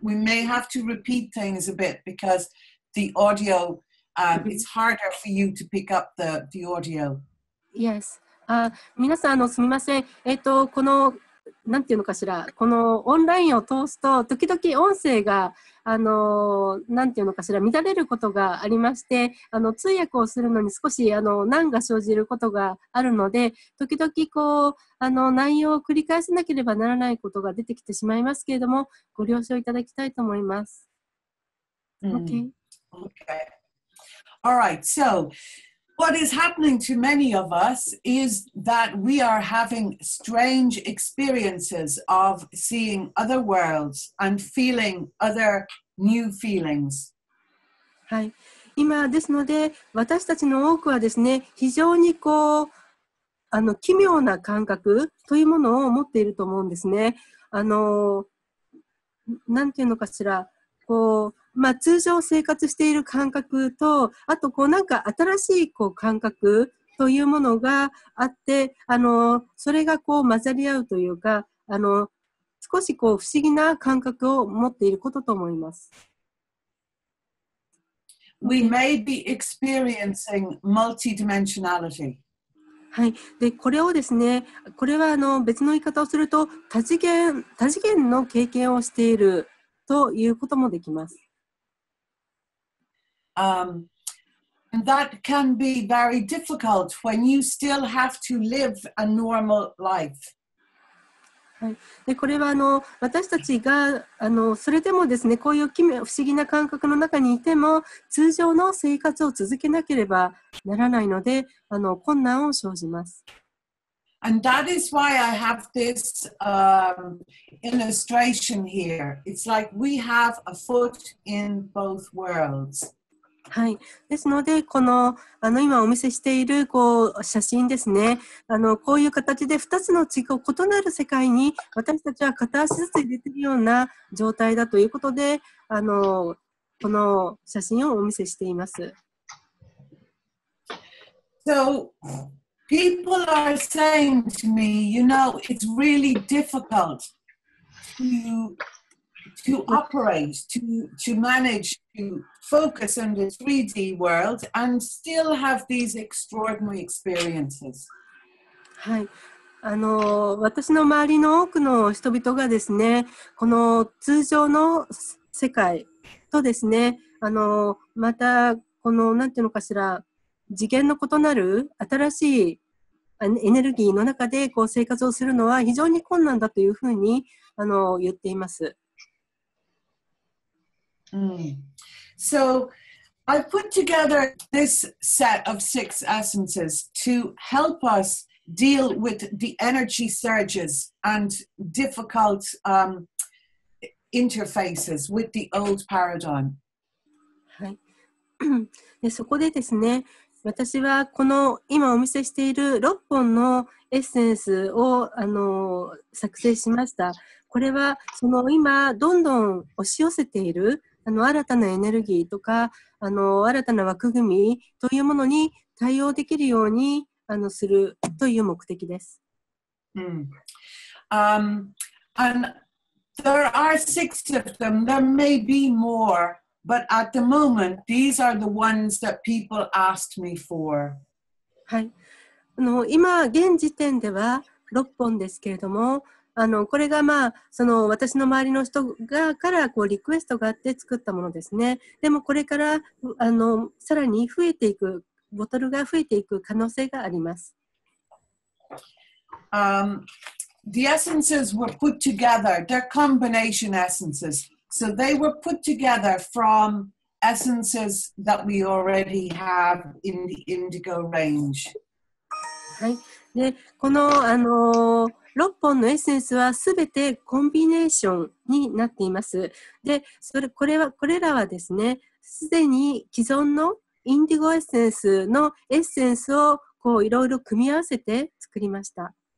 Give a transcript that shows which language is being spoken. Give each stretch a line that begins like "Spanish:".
English: We may have to repeat things a bit because the audio, it's harder for you to pick up the audio.
Japanese: Yes. 皆さん、すみません。この、なんていうのかしら、このオンラインを通すと時々音声がなんていうのかしら乱れることがありまして通訳をするのに少し難が生じることがあるので時々こう内容を繰り返さなければならないことが出てきてしまいますけれどもご了承いただきたいと思います、
English: mm. Okay. Okay. All right. So what is happening to many of us is that we are having strange experiences of seeing other worlds and feeling other new feelings.
Japanese: はい。今ですので、私たちの多くはですね、非常にこう、奇妙な感覚というものを持っていると思うんですね。なんていうのかしら、こう、まあ、通常生活している感覚と、あとこうなんか新しいこう感覚というものがあって、それがこう混ざり合うというか、少しこう不思議な感覚を持っていることと思います。
English: We may be experiencing multidimensionality.
Japanese: はい。で、これをですね、これは別の言い方をすると、多次元の経験をしているということもできます。
English: That can be very difficult when you still have to live a normal life.
Japanese: はい。で、これは私たちがそれでもですね、こういう奇妙不思議な感覚の中にいても通常の生活を続けなければならないので困難を生じます。
English: And that is why I have this illustration here. It's like we have a foot in both worlds.
Japanese: はい。ですので、この、今お見せしている、こう、写真ですね。こういう形で2つの地区を異なる世界に、私たちは片足ずつ入れているような状態だということで、この写真をお見せしています。
English: So people are saying to me, you know, it's really difficult to operate, to manage, to focus on the 3D world and still have these extraordinary experiences.
Japanese: はい。あの、私の周りの多くの人々がですね、この通常の世界とですね、あの、またこの、なんていうのかしら、次元の異なる新しいエネルギーの中でこう生活をするのは非常に困難だというふうにあの言っています。
English: So, I put together this set of six essences to help us deal with the energy surges and difficult, interfaces with the old paradigm.
Japanese: はい。で、そこでですね、私はこの今お見せしている6本のエッセンスをあの作成しました。これはその今どんどん押し寄せているあの新たなエネルギーとかあの新たな枠組みというものに対応できるようにあのするという目的です。
English: And there are six of them. There may be more. But at the moment, these are the ones that people asked me for.
Japanese: はい。あの、今現時点では6本ですけれども、あの、これがまあ、その私の周りの人がからこうリクエストがあって作ったものですね。でもこれからあの、さらに増えていく、ボトルが増えていく可能性があります。
English: The essences were put together. They're combination essences. So they were put together from essences that we already have in the indigo range.
Japanese: はい。で、この、6本のエッセンスはすべてコンビネーションになっています。で、それ、これは、これらはですね、すでに既存のインディゴエッセンスのエッセンスをこういろいろ組み合わせて作りました。